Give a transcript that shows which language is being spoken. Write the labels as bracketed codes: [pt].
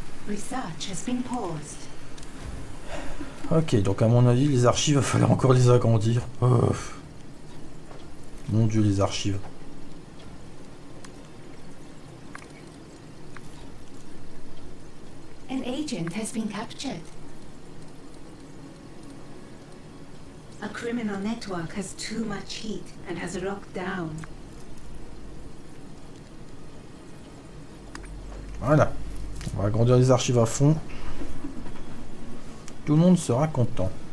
[en] Research has been paused. [fr] Ok, donc à mon avis, les archives, il va falloir encore les agrandir. Oh. Mon Dieu, les archives. [en] An agent has been captured. A criminal network has too much heat and has locked down. [fr] Voilà. On va agrandir les archives à fond. Tout le monde sera content.